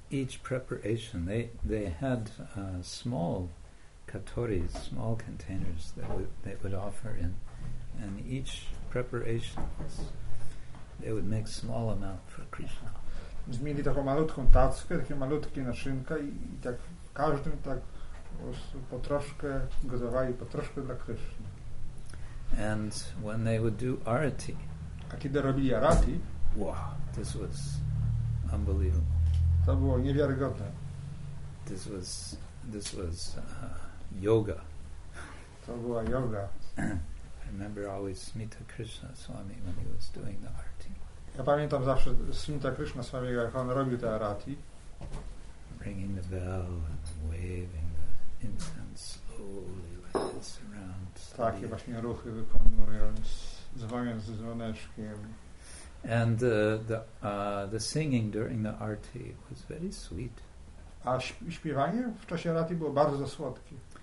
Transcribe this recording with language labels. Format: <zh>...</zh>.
<en>Each preparation, they had small katoris, small containers that they would offer in And each preparation, they would make small amount for Krishna.</en> <pl>Zmieli taką malutką tackę, takie malutkie naszynka i tak w każdym tak po troszkę gotowali, po troszkę dla Krishna.</pl> <en>And when they would do arati,</en> <pl>a kiedy robili arati,</pl> <en>wow, this was unbelievable.</en> <pl>To było niewiarygodne.</pl> <en>This was yoga.</en> <pl>To była yoga.</pl> <en>I remember always Smita Krishna Swami when he was doing the arati.</en> <pl>Ja pamiętam zawsze Smita Krishna Swami, jak on robił te arati.</pl> <en>Ringing the bell and waving the incense slowly with his around.</en> <pl>Takie właśnie ruchy wykonując, dzwoniąc dzwoneczkiem.</pl> <en>And the singing during the arati was very sweet.</en> <pl>A śpiewanie w czasie arati było bardzo słodkie.</pl>